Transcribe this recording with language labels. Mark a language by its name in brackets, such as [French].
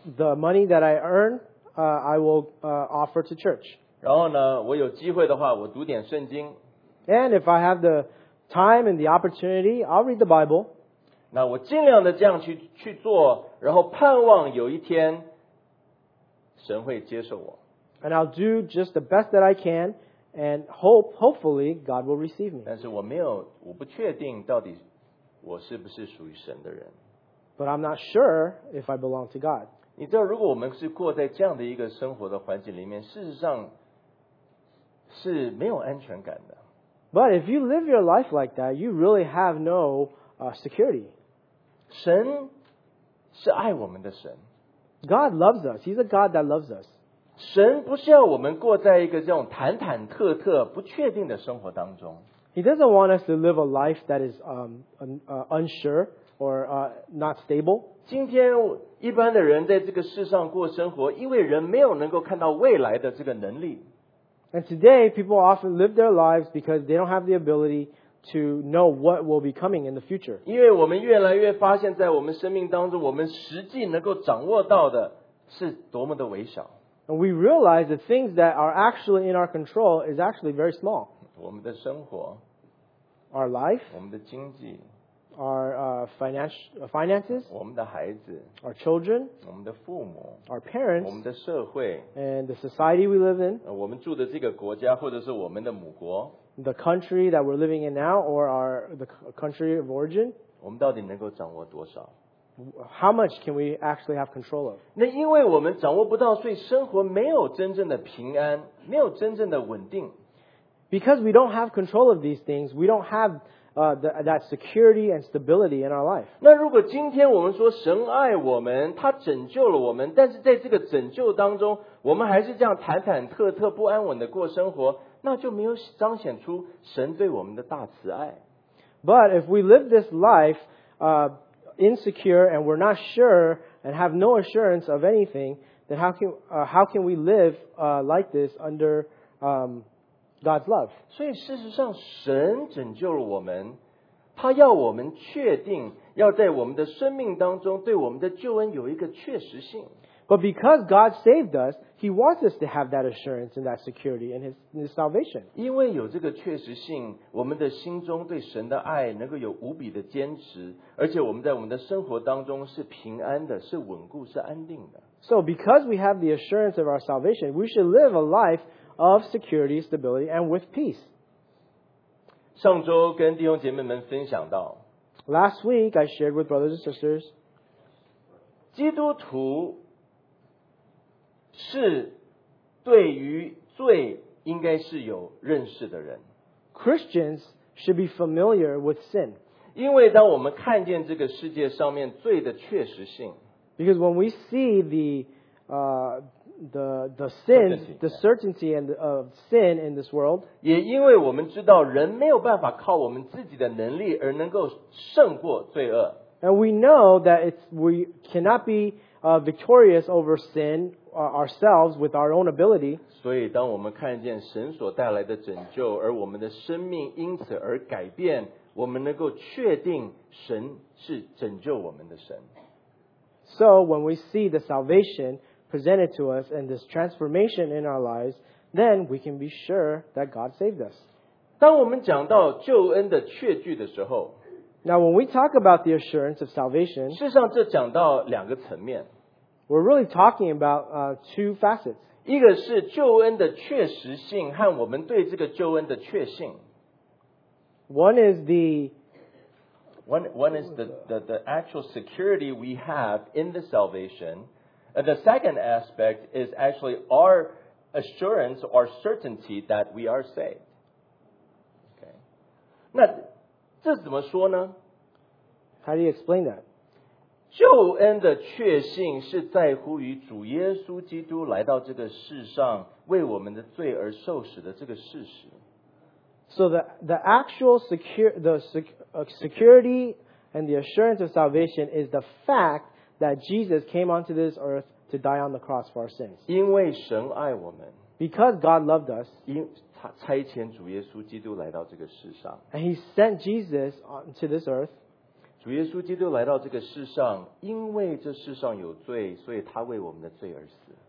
[English] The money that I earn, I will offer to church. [Chinese] 然后呢, 我有机会的话, 我读点圣经。 [English] And if I have the time and the opportunity, I'll read the Bible. [Chinese] 那我尽量的这样去做，然后盼望有一天神会接受我。 [English] And I'll do just the best that I can, and hopefully God will receive me. [Chinese] 但是我没有，我不确定到底我是不是属于神的人。 [English] But I'm not sure if I belong to God. [Chinese] 你知道，如果我们是过在这样的一个生活的环境里面，事实上是没有安全感的。 [English] But if you live your life like that, you really have no security. [Chinese] 神是爱我们的神。 [English] God loves us. He's a God that loves us. [Chinese] 神不是要我们过在一个这种忐忐忑忑、不确定的生活当中。 [English] He doesn't want us to live a life that is unsure or not stable. [Chinese] 今天一般的人在这个世上过生活，因为人没有能够看到未来的这个能力。 [English] And today, people often live their lives because they don't have the ability to know what will be coming in the future. [Chinese] 因为我们越来越发现，在我们生命当中，我们实际能够掌握到的是多么的微小。 [English] And we realize the things that are actually in our control is actually very small. [Chinese] 我们的生活， [English] our life， [Chinese] 我们的经济， [English] our finances， [Chinese] 我们的孩子， [English] our children， [Chinese] 我们的父母， [English] our parents， [Chinese] 我们的社会， [English] and the society we live in， [Chinese] 我们住的这个国家或者是我们的母国， [English] the country that we're living in now or our the country of origin， [Chinese] 我们到底能够掌握多少？ [English] How much can we actually have control of? [Chinese] 那因为我们掌握不到，所以生活没有真正的平安，没有真正的稳定。 [English] Because we don't have control of these things, we don't have that security and stability in our life. [Chinese] 那如果今天我们说神爱我们，他拯救了我们，但是在这个拯救当中，我们还是这样忐忐忑忑、不安稳的过生活，那就没有彰显出神对我们的大慈爱。 [English] But if we live this life, insecure and we're not sure and have no assurance of anything, then how can we live like this under God's love? [Chinese] 所以事实上神拯救了我们，他要我们确定要在我们的生命当中对我们的救恩有一个确实性。 [English] But because God saved us, he wants us to have that assurance and that security in his salvation. [Chinese] 因为有这个确实性，我们的心中对神的爱能够有无比的坚持，而且我们在我们的生活当中是平安的，是稳固，是安定的。 [English] So because we have the assurance of our salvation, we should live a life of security, stability, and with peace. [Chinese] 上周跟弟兄姐妹们分享到， [English] Last week, I shared with brothers and sisters, [Chinese] 基督徒是对于罪应该是有认识的人。 [English] Christians should be familiar with sin. [Chinese] 因为当我们看见这个世界上面罪的确实性， [English] Because when we see the sin, the certainty of sin in this world, [Chinese] 也因为我们知道人没有办法靠我们自己的能力而能够胜过罪恶。 [English] And we know that we cannot be victorious over sin ourselves with our own ability. [Chinese] 所以当我们看见神所带来的拯救，而我们的生命因此而改变，我们能够确定神是拯救我们的神。 [English] So when we see the salvation presented to us and this transformation in our lives, then we can be sure that God saved us. [Chinese] 当我们讲到救恩的确据的时候， [English] Now when we talk about the assurance of salvation, [Chinese] 事实上这讲到两个层面。 [English] We're really talking about two facets. [Chinese] 一个是救恩的确实性和我们对这个救恩的确信。 [English] One is the actual security we have in the salvation. The second aspect is actually our assurance, our certainty that we are saved. [Chinese] Okay. 那这怎么说呢？ [English] How do you explain that? [Chinese] 救恩的确信是在乎于主耶稣基督来到这个世上为我们的罪而受死的这个事实。 [English] So the actual security and the assurance of salvation is the fact that Jesus came onto this earth to die on the cross for our sins. [Chinese] 因为神爱我们。 [English] Because God loved us. [Chinese] 他差遣主耶稣基督来到这个世上。 [English] And he sent Jesus onto this earth. [Chinese] 主耶稣基督来到这个世上，因为这世上有罪，所以他为我们的罪而死。